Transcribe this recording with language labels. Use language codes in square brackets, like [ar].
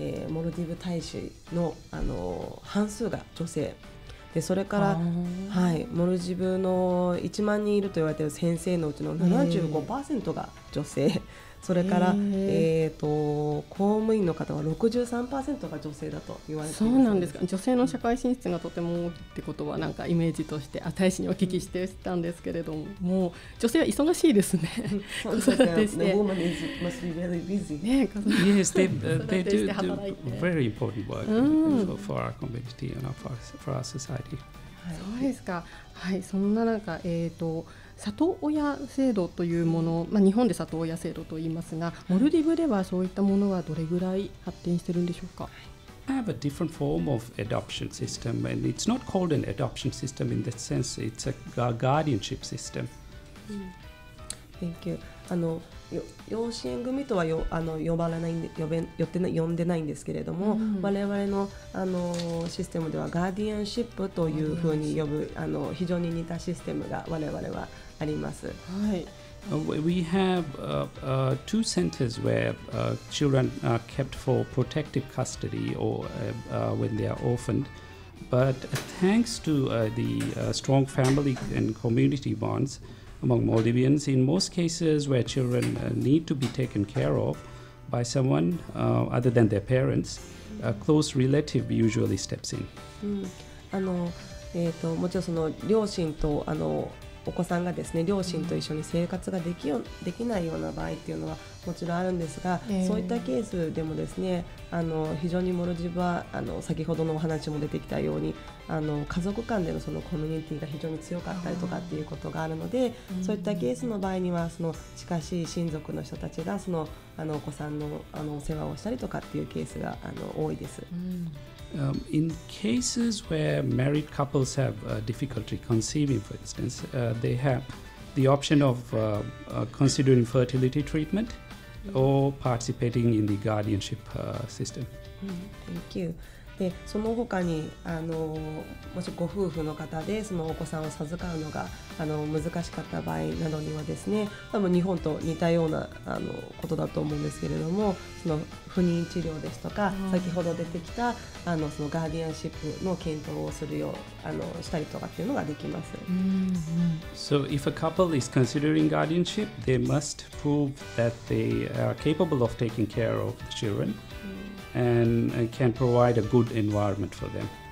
[ja] モルディブ大使 の, あの半数が女性で、それから、はい、モルディブの1万人いると言われている先生のうちの 75% が女性、それから、公務員の方は 63% が女性だと言われています。そうなんですか。女性の社会進出がとても多いってことはなんかイメージとして大使にお聞きしてたんですけれども、もう女性は忙しいですね。子育てして。 [en] The woman is, must be very busy. Yes, they do very important work for our community and for our society. [ja] そうですか。はい、そんな中、里親制度というもの、日本で里親制度と言いますが、モルディブではそういったものはどれぐらい発展してるんでしょうか。 [en] I have a different form of adoption system, and it's not called an adoption system in that sense, it's a guardianship system. Thank you. [ja] あの養子縁組とは呼んでないんですけれども、我々 の, あのシステムではガーディアンシップというふうに呼ぶ、あの非常に似たシステムが我々はあります、はい。 [en] We have two centers where children are kept for protective custody or when they are orphaned, but thanks to the strong family and community bondsAmong Maldivians, in most cases where children need to be taken care of by someone other than their parents, a close relative usually steps in. [ja] もちろんその両親とあのお子さんがですね、両親と一緒に生活ができないような場合っていうのはもちろんあるんですが、そういったケースでもですね、あの非常にモルジブはあの先ほどのお話も出てきたように、あの家族間で の, そのコミュニティが非常に強かったりとかっていうことがあるので、そういったケースの場合にはその近しい親族の人たちがそのあのお子さん の, あのお世話をしたりとかっていうケースがあの多いです。 [en] In cases where married couples have difficulty conceiving, for instance, they have the option of considering fertility treatment or participating in the guardianship system. Thank you. [ja] で、その他にあのもしご夫婦の方でそのお子さんを授かるのがあの難しかった場合などにはですね、多分日本と似たようなあのことだと思うんですけれども、その不妊治療ですとか先ほど出てきたあのそのガーディアンシップの検討をするようあのしたりとかっていうのができます。 [en] So if a couple is considering guardianship, they must prove that they are capable of taking care of the children and can provide a good environment for them.